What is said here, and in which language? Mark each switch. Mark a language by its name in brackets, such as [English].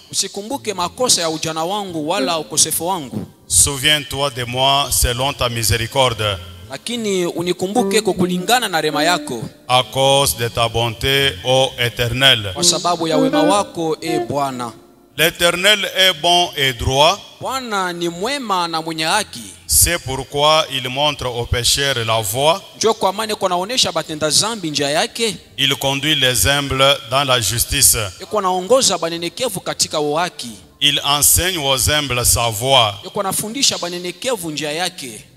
[Swahili] Usikumbuke makosa ya ujana wangu wala ukosefu wangu. [French] Souviens-toi de moi selon ta miséricorde. [Swahili] Lakini unikumbuke kukulingana na rema yako. [French] A cause de ta bonté, ô Éternel. [Swahili] Kwa sababu ya wema wako, e Bwana. [French] L'Éternel est bon et droit. [Swahili] Bwana ni mwema na mwenye haki. [French] C'est pourquoi il montre aux pécheurs la voie. [Swahili] Njoo kwa maana iko naonesha batenda zambi njia yake. [French] Il conduit les humbles dans la justice. [Swahili] Iko naongoza banenekevu katika uhaki. [French] Il enseigne aux humbles sa voie. [Swahili] Iko nafundisha banenekevu njia yake.